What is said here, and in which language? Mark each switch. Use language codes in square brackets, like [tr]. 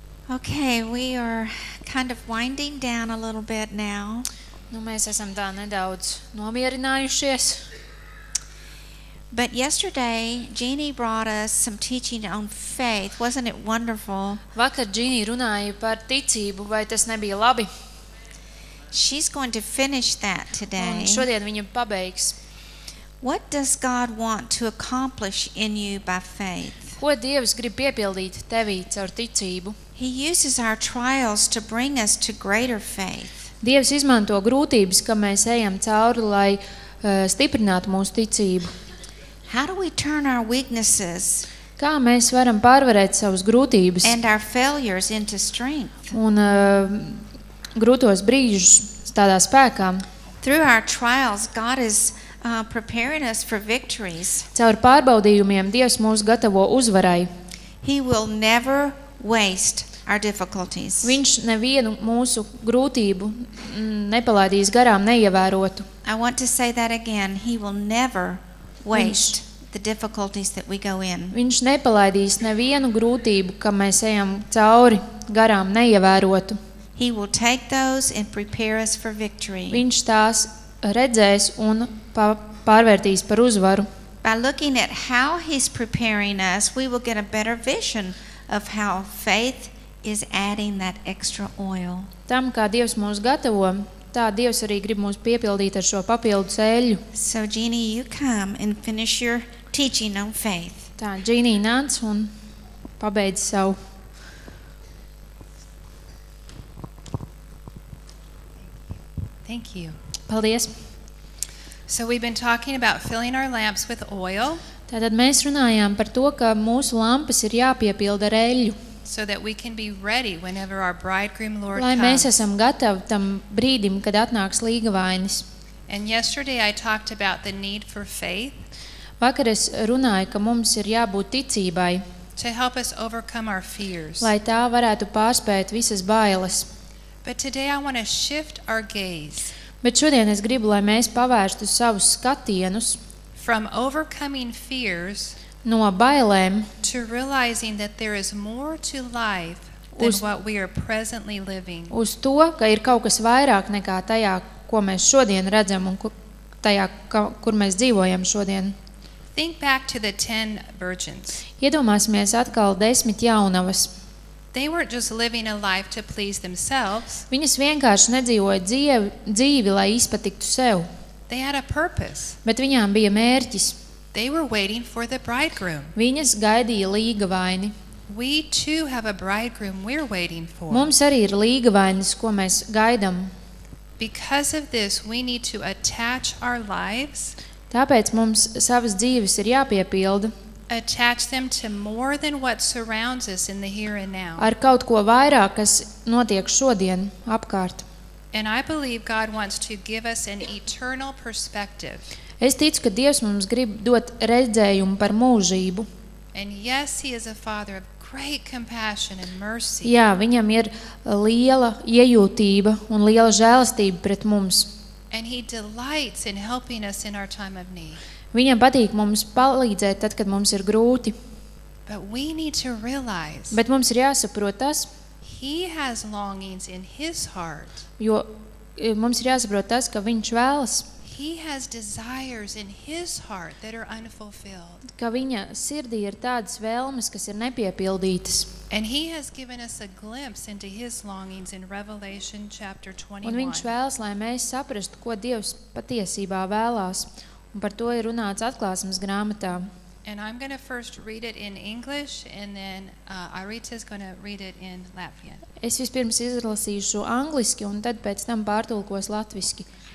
[en] Okay, we are kind of winding down a little bit now. [lv] Nu mēs esam tā nedaudz nomierinājušies. [en] But yesterday, Jeannie brought us some teaching on faith. Wasn't it wonderful? [lv] Vakar Jeannie runāja par ticību, vai tas nebija labi? [en] She's going to finish that today. [lv] Un šodien viņa pabeigs. [en] What does God want to accomplish in you by faith? [lv] Ko Dievs grib piepildīt tevī caur ticību? [en] He uses our trials to bring us to greater faith. [lv] Dievs izmanto grūtības, kam mēs ejam cauri, lai stiprinātu mūsu ticību. [en] How do we turn our weaknesses? [lv] Kā mēs varam pārvarēt savas grūtības? [en] And our failures into strength. [lv] Un grūtos brīžus tādā spēkā. [en] Through our trials, God is preparing us for victories. [lv] Caur pārbaudījumiem Dievs mūs gatavo uzvarai. [en] He will never waste our difficulties. [lv] Viņš nevienu mūsu grūtību nepalaidīs garām neievērotu. [en] I want to say that again. He will never waste the difficulties that we go in. [lv] Viņš nepalaidīs nevienu grūtību, kam mēs ejam cauri, garām neievērotu. [en] He will take those and prepare us for victory. [lv] Viņš tās redzēs un pārvērtīs par uzvaru. [en] By looking at how he's preparing us, we will get a better vision of how faith is adding that extra oil. [lv] Tam, kā Dievs mūs gatavo, tā Dievs arī grib mūs piepildīt ar šo papildu sēļu. [en] So, Jeannie, you come and finish your teaching on faith. [lv] Tā, Jeannie, nāc un pabeidz savu. [en] Thank you. [lv] Paldies. [en] So we've been talking about filling our lamps with oil. [lv] Tātad mēs runājām par to, ka mūsu lampas ir jāpiepilda ar eļļu. [en] So that we can be ready whenever our bridegroom Lord comes. [lv] Lai mēs esam gatavi tam brīdim, kad atnāks līgavainis. [en] And yesterday I talked about the need for faith. [lv] Vakar es runāju, ka mums ir jābūt ticībai. [en] To help us overcome our fears. [lv] Lai tā varētu pārspēt visas bailes. [en] But today I want to shift our gaze. [lv] Bet šodien es gribu, lai mēs pavērstu savus skatienus [en] from overcoming fears [lv] no bailēm [en] to realizing that there is more to life than what we are presently living. [lv] Uz to, ka ir kaut kas vairāk nekā tajā, ko mēs šodien redzam un tajā, kur mēs dzīvojam šodien. [en] Think back to the 10 virgins. [lv] Iedomāsimies atkal 10 jaunavas. [en] They weren't just living a life to please themselves. [lv] Viņas vienkārši nedzīvoja dzīvi, lai izpatiktu sev. [en] They had a purpose. [lv] Bet viņām bija mērķis. [en] They were waiting for the bridegroom. [lv] Viņas gaidīja līgavaini. [en] We too have a bridegroom we're waiting for. [lv] Mums arī ir līgavainis, ko mēs gaidām. [en] Because of this, we need to attach our lives. [lv] Tāpēc mums savas dzīves ir jāpiepilda. [en] Attach them to more than what surrounds us in the here and now. [lv] Ar kaut ko vairāk, kas notiek šodien apkārt. [en] And I believe God wants to give us an eternal perspective. [lv] Es ticu, ka Dievs mums grib dot redzējumu par mūžību. [en] And yes, he is a father of great compassion and mercy. [lv] Jā, viņam ir liela iejūtība un liela žēlastība pret mums. [en] And he delights in helping us in our time of need. [lv] Viņam patīk mums palīdzēt tad, kad mums ir grūti. [en] But we need to realize, [lv] bet mums ir jāsaprot tas, [en] he has longings in his heart. [lv] Jo mums ir jāsaprot tas, ka viņš vēlas. [en] He has desires in his heart that are unfulfilled. [lv] Ka viņa sirdī ir tādas vēlmes, kas ir nepiepildītas. [en] And he has given us a glimpse into his longings in Revelation chapter 21. [lv] Un viņš vēlas, lai mēs saprastu, ko Dievs patiesībā vēlās. Un par to ir runāts atklāsmes grāmatā. [en] And I'm going to first read it in English and then Arita is going to read it in Latvian. [lv] Es vispirms izlasīšu angliski un tad pēc tam pārtulkos latviski.